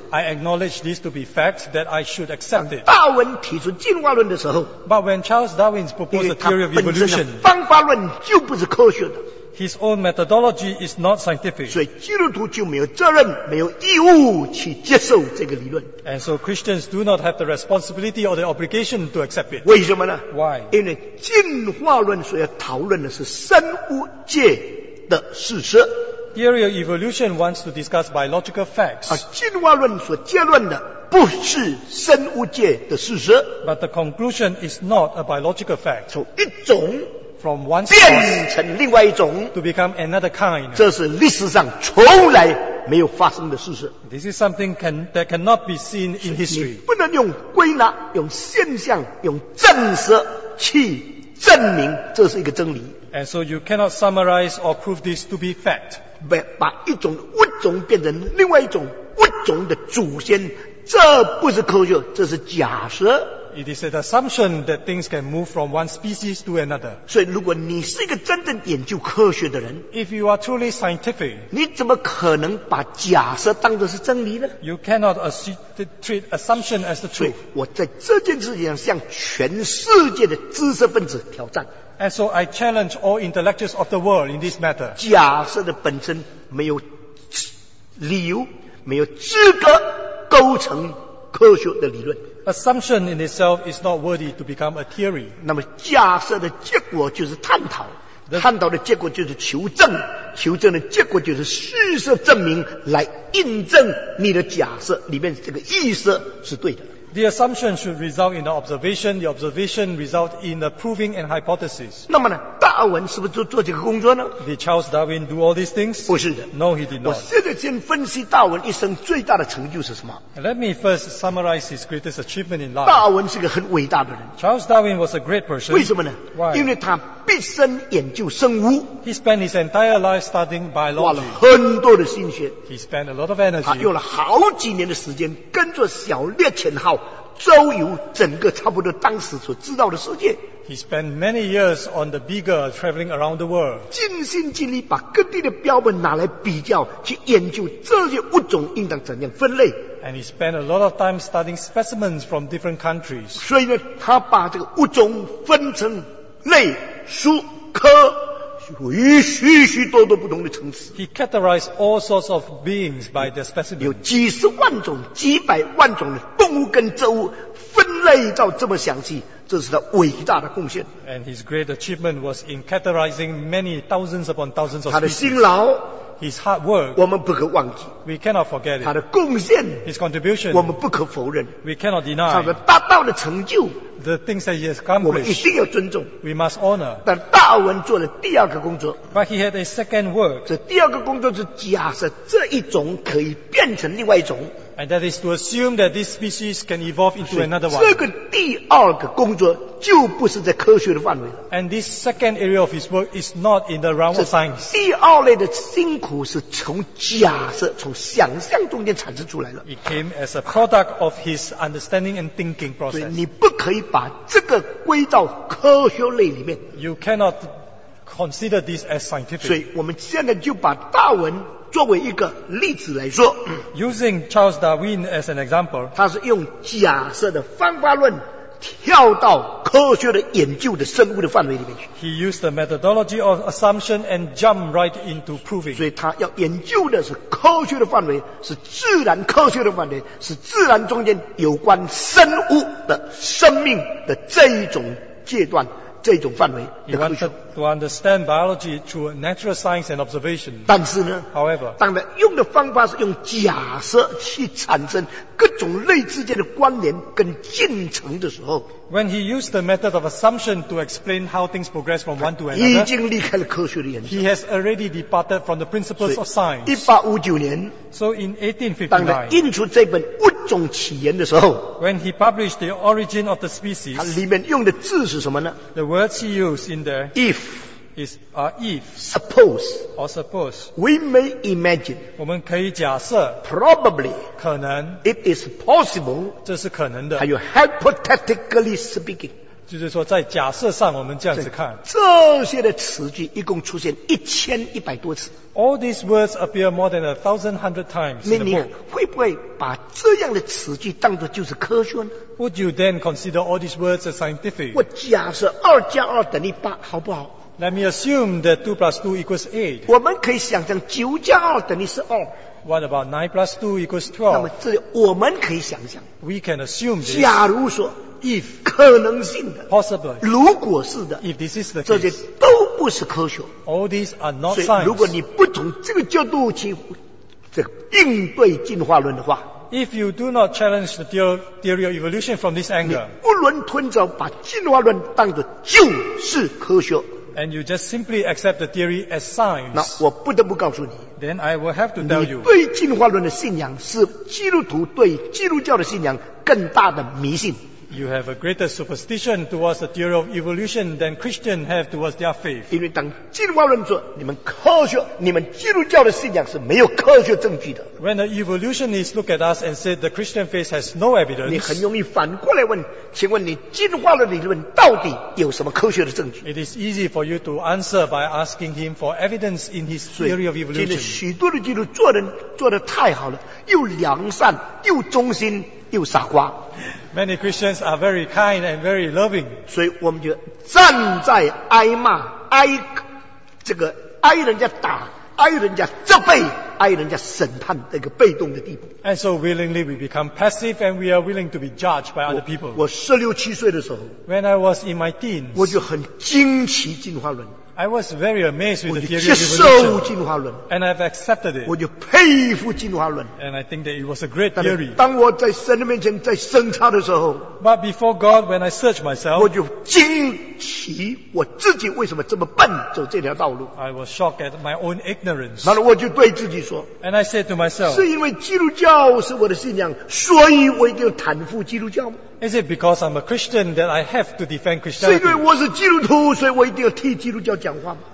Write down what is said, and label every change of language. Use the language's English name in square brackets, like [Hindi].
[English] I acknowledge this to be fact that I should accept it. [Chinese] 达文提出进化论的时候， [English] But when Charles Darwin proposed the theory of evolution, [Chinese] 因为他本身的方法论就不是科学的。 [English] His own methodology is not scientific. [Chinese] 所以基督徒就没有责任，没有义务去接受这个理论。 [English] And so Christians do not have the responsibility or the obligation to accept it. [Chinese] 为什么呢？ [English] Why? [Chinese] 因为进化论所要讨论的是生物界的事实。 [English] Theory of evolution wants to discuss biological facts. [Chinese] 而进化论所结论的不是生物界的事实。 [English] But the conclusion is not a biological fact. [Chinese] 从一种 [English] From one [Chinese] 变成另外一种 [English] to become another kind. [Chinese] 这是历史上从来没有发生的事实。 [English] This is something that cannot be seen in history. [Chinese] 不能用归纳、用现象、用证实去证明这是一个真理。 [English] And so you cannot summarize or prove this to be fact. [Chinese] 把一种物种变成另外一种物种的祖先，这不是科学，这是假设。 [English] It is an assumption that things can move from one species to another. [Chinese] 所以如果你是一个真正研究科学的人， [English] If you are truly scientific, [Chinese] 你怎么可能把假设当作是真理呢？ [English] You cannot treat assumption as the truth. [Chinese] 我在这件事情上向全世界的知识分子挑战。 [English] And so I challenge all intellectuals of the world in this matter. [Chinese] 假设的本身没有理由，没有资格构成科学的理论。 [English] Assumption in itself is not worthy to become a theory. [Chinese] 那么假设的结果就是探讨，探讨的结果就是求证，求证的结果就是事实证明来印证你的假设里面这个意思是对的。 [English] The assumption should result in the observation result in the proving and hypothesis. [Chinese] 那么呢，达尔文是不是做这个工作呢？ [English] Did Charles Darwin do all these things? [Chinese] 不是的。 [English] No, he did not. [Chinese] 我现在先分析达尔文一生最大的成就是什么。 [English] Let me first summarize his greatest achievement in life. [Chinese] 达尔文是个很伟大的人。 [English] Charles Darwin was a great person. [Chinese] 为什么呢？ [English] Why? [Chinese] 因为他毕生研究生物。 [English] He spent his entire life studying biology. [Chinese] 花了很多的心血。 [English] He spent a lot of energy. [Chinese] 他用了好几年的时间跟着小猎犬号周游整个差不多当时所知道的世界。 [English] He spent many years on the beagle traveling around the world. [Chinese] 尽心尽力把各地的标本拿来比较，去研究这些物种应当怎样分类。 [English] And he spent a lot of time studying specimens from different countries. [Chinese] 所以呢，他把这个物种分成类、属、科，与许许多多不同的层次。 [English] He categorized all sorts of beings by their specimens. [Chinese] 有几十万种、几百万种的动物跟植物分类到这么详细。这是他伟大的贡献。 [English] And his great achievement was in categorizing many thousands upon thousands of [Chinese] species. 他的辛劳 [English] ，his hard work， [Chinese] 我们不可忘记。 [English] We cannot forget it. [Chinese] 他的贡献 [English] ，his contribution， [Chinese] 我们不可否认。 [English] We cannot deny. [Chinese] 他的大道的成就 [English] ，the things that he has accomplished， [Chinese] 我们一定要尊重。 [English] We must honor. [Chinese] 但达尔文做了第二个工作 [English] ，but he had a second work. [Chinese] 这第二个工作是假设这一种可以变成另外一种。 [English] And that is to assume that this species can evolve into another one. [Chinese] 这个第二个工作就不是在科学的范围了。 [English] And this second area of his work is not in the realm of science. [Chinese] 第二类的辛苦是从假设、从想象中间产生出来了。 [English] It came as a product of his understanding and thinking process. [Chinese] 你不可以把这个归到科学类里面。 [English] You cannot consider this as scientific. [Chinese] 所以我们现在就把达尔文作为一个例子来说 [English] ，using Charles Darwin as an example， [Chinese] 他是用假设的方法论跳到科学的研究的生物的范围里面去。 [English] He used the methodology of assumption and jumped right into proving。 [Chinese] 所以他要研究的是科学的范围，是自然科学的范围，是自然中间有关生物的生命的这一种阶段。这种范围的科学 [English] to understand biology through natural science and observation. [Chinese] 但是呢 [English] ，however， [Chinese] 当然用的方法是用假设去产生各种类之间的关联跟进程的时候 [English] ，when he used the method of assumption to explain how things progress from one to another， [Chinese] 已经离开了科学的研究。 [English] He has already departed from the principles of science. [Chinese] 1859年 [English] ，so in 1859， [Chinese] 当他印出这本物种起源的时候 [English] ，when he published the origin of the species， [Chinese] 里面用的字是什么呢？ [English] The words he used in there if, is if, suppose, or suppose, we may imagine, [Chinese] 我们可以假设 [English] probably, [Chinese] 可能 [English] it is possible, [Chinese] 这是可能的，还有 [English] hypothetically speaking, [Chinese] 就是说在假设上我们这样子看，这些的词句一共出现1100多次。 [English] All these words appear more than 1,100 times in the book. [Chinese] 你会不会把这样的词句当作就是科学呢？ [English] Would you then consider all these words as scientific? [Chinese] 我假设二加二等于八，好不好？ [English] Let me assume that 2 + 2 = 8. [Chinese] 我们可以想象9+2 = 12。 [English] What about 9+2 = 12？ [Chinese] 那么这我们可以想象。 [English] We can assume this. [Chinese] 假如说 [English] ，if [Chinese] 可能性的 [English] ，possible， [Chinese] 如果是的 [English] ，if this is the case， [Chinese] 这些都。不是科学。 [English] All these are not science. 所 [Chinese] 以，如果你不从这个角度去这个应对进化论的话 [English] ，If you do not challenge the theory of evolution from this angle， [Chinese] 你囫囵吞枣把进化论当作就是科学 [English] ，And you just simply accept the theory as science。 [Chinese] 那我不得不告诉你 [English] ，Then I will have to tell you， [Chinese] 你对进化论的信仰是基督徒对基督教的信仰更大的迷信。 [English] You have a greater superstition towards the theory of evolution than Christians have towards their faith. [Chinese] 因为当基督教人说你们科学，你们基督教的信仰是没有科学证据的。 [English] When the evolutionists look at us and say the Christian faith has no evidence, [Chinese] 你很容易反过来问，请问你进化论理论到底有什么科学的证据？ [English] It is easy for you to answer by asking him for evidence in his theory of evolution. [Chinese] 所以，许多的基督徒做人做得太好了，又良善又忠心。又傻瓜。 [English] Many Christians are very kind and very loving. [Chinese] 所以我们就站在挨骂、挨这个挨人家打、挨人家责备、挨人家审判那个被动的地步。 [English] And so willingly we become passive and we are willing to be judged by other people. [Chinese] 我十六七岁的时候 [English] ，When I was in my teens， [Chinese] 我就很惊奇进化论。 [English] I was very amazed with the theory of [Chinese] evolution. 我就接受进化论 [English] ，and I've accepted it. [Chinese] 我就佩服进化论 [English] ，and I think that it was a great theory. [Chinese] 当我在神的面前在审查的时候 [English] ，but before God, when I search myself, [Chinese] 我就惊奇我自己为什么这么笨走这条道路。 [English] I was shocked at my own ignorance. [Chinese] 然后我就对自己说 [English] ，and I said to myself, [Chinese] 是因为基督教是我的信仰，所以我一定要袒护基督教吗？ [English] Is it because I'm a Christian that I have to defend Christianity? [Chinese] 是因为我是基督徒，所以我一定要替基督教讲话吗？